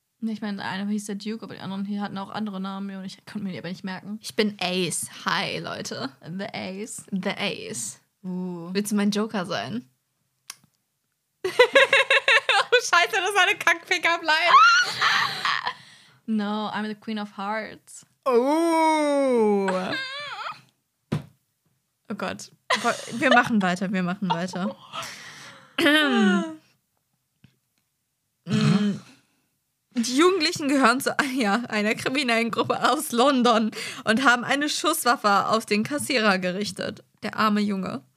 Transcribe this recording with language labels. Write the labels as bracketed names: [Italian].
[German] Ich meine, einer hieß der Duke, aber die anderen hier hatten auch andere Namen. Und ich konnte mir die aber nicht merken. Ich bin Ace. Hi, Leute. [English] The Ace. The Ace. [German] Willst du mein Joker sein? Oh, scheiße, das war eine Kackpick-up-Line. [English] No, I'm the Queen of Hearts. Oh. [German] Oh Gott, wir machen weiter. Die Jugendlichen gehören zu einer kriminellen Gruppe aus London und haben eine Schusswaffe auf den Kassierer gerichtet. Der arme Junge.